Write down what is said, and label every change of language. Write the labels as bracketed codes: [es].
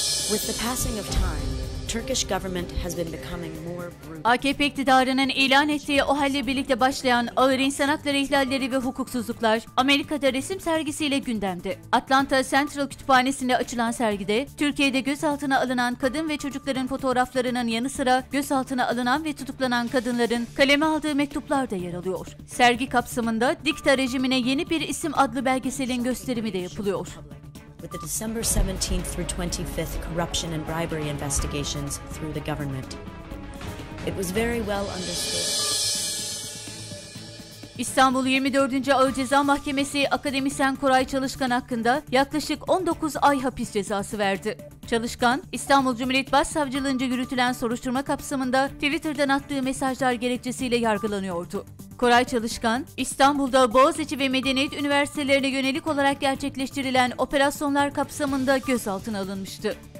[en] With the passing of time, Turkish government has been becoming more brutal. [tr] AKP iktidarının ilan ettiği o halle birlikte başlayan ağır insan hakları ihlalleri ve hukuksuzluklar Amerika'da resim sergisiyle gündemde. Atlanta Central Kütüphanesi'nde açılan sergide Türkiye'de gözaltına alınan kadın ve çocukların fotoğraflarının yanı sıra gözaltına alınan ve tutuklanan kadınların kaleme aldığı mektuplar da yer alıyor. Sergi kapsamında Dikta Rejimine Yeni Bir İsim adlı belgeselin gösterimi de yapılıyor. [en] With the December 17th through 25th corruption and bribery investigations through the government. It was very well understood. [tr] İstanbul 24. Ağır Ceza Mahkemesi akademisyen Koray Çalışkan hakkında yaklaşık 19 ay hapis cezası verdi. Çalışkan, İstanbul Cumhuriyet Başsavcılığı'nca yürütülen soruşturma kapsamında Twitter'dan attığı mesajlar gerekçesiyle yargılanıyordu. Koray Çalışkan, İstanbul'da Boğaziçi ve Medeniyet Üniversitelerine yönelik olarak gerçekleştirilen operasyonlar kapsamında gözaltına alınmıştı.